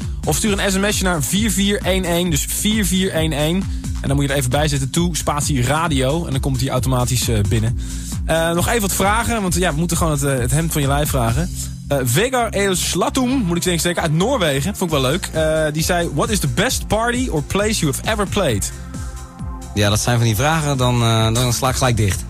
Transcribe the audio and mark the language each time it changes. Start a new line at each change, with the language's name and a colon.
Dutch: Of stuur een sms'je naar 4411. Dus 4411. En dan moet je er even bij zetten, toe, spatie radio. En dan komt hij automatisch binnen. Nog even wat vragen, want we moeten gewoon het hemd van je lijf vragen. Vegard El Slatum, moet ik zeggen, uit Noorwegen. Vond ik wel leuk. Die zei,
English: what is the best party or place you have ever played?
Dutch: Ja, dat zijn van die vragen, dan sla ik gelijk dicht.